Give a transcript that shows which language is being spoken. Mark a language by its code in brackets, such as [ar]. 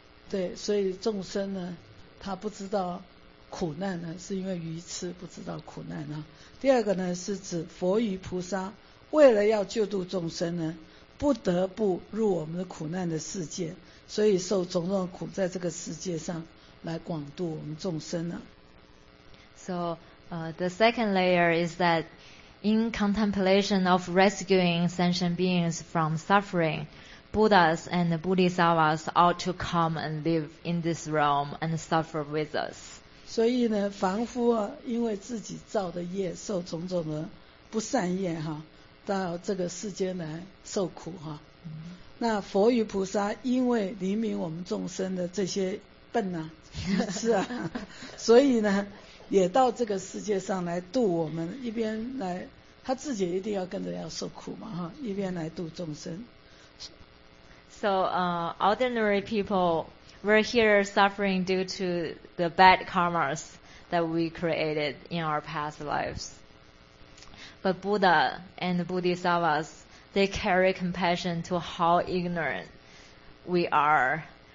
[zh] 对，所以众生呢，他不知道苦难呢，是因为愚痴不知道苦难啊。第二个呢，是指佛与菩萨为了要救度众生呢，不得不入我们的苦难的世界，所以受种种苦，在这个世界上来广度我们众生呢。 [en] So, the second layer is that in contemplation of rescuing sentient beings from suffering. Buddhas and the Bodhisattvas ought to come and live in this realm and suffer with us. [zh] 所以呢，凡夫啊，因为自己造的业，受种种的不善业哈，到这个世间来受苦哈。那佛与菩萨因为怜悯我们众生的这些笨呐、是啊，所以呢，也到这个世界上来度我们，一边来他自己一定要跟着要受苦嘛哈，一边来度众生。 [en] So, ordinary people, we're here suffering due to the bad karmas that we created in our past lives. But Buddha and Bodhisattvas, they carry compassion to how ignorant we are.